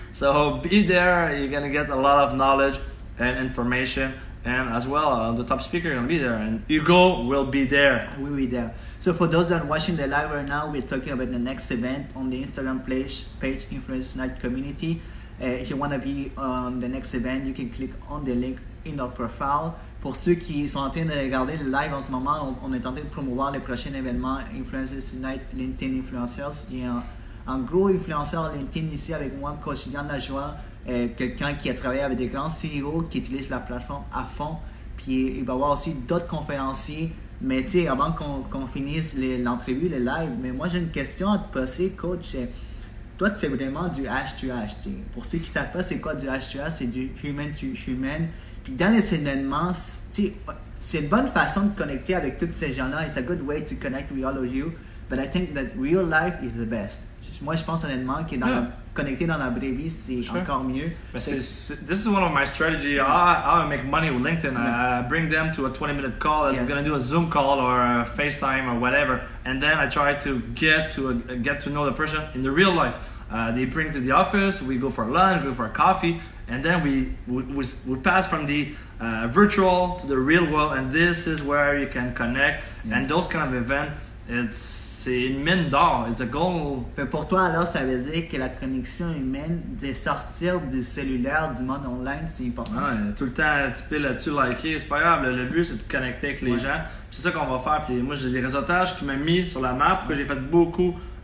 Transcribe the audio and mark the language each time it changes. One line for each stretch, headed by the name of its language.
English: So be there. You're gonna get a lot of knowledge and information. And as well, the top speaker gonna be there, and Hugo will be there. We'll be there. So for those that are watching the live right now, we're talking about the next event on the Instagram page, Influencers Night Community. If you wanna be on the next event, you can click on the link in our profile.
French: Pour ceux qui sont en train de regarder le live en ce moment, on est en train de promouvoir le prochain événement Influencers Unite LinkedIn Influencers. Il y a un gros influenceur LinkedIn ici avec moi, Coach Yann Lajoie, quelqu'un qui a travaillé avec des grands CEO qui utilisent la plateforme à fond. Puis il va y avoir aussi d'autres conférenciers. Mais tu sais, avant qu'on finisse l'entrevue, le live, mais moi j'ai une question à te poser, coach. Toi, tu fais vraiment du H2H. Pour ceux qui ne savent pas, c'est quoi du H2H? C'est du
English: human to human.
French: Puis dans les événements, tu sais, c'est une bonne façon de connecter avec tous ces gens-là.
English: It's a good way to connect with all of you. But I think that real life is the best.
French: Moi, je pense honnêtement que connecter dans la vraie vie, c'est encore mieux.
English: This is one of my strategies. I make money with LinkedIn. Yeah. I bring them to a 20-minute call. I'm going to do a Zoom call or a FaceTime or whatever. And then I try to get to know the person in the real life. They bring to the office. We go for lunch. We go for a coffee. And then we pass from the virtual to the real world, and this is where you can connect. Yes. And those kind of event,
French: c'est une mine d'or,
English: it's a goal.
French: Mais pour toi alors, ça veut dire que la connexion humaine, de sortir du cellulaire, du monde online, c'est important. Ah, tout le temps, taper là-dessus, liker, c'est pas grave. Le but, c'est de connecter avec les gens. Puis c'est ça qu'on va faire. Puis moi, j'ai des réseautages qui m'ont mis sur la map, que j'ai fait beaucoup.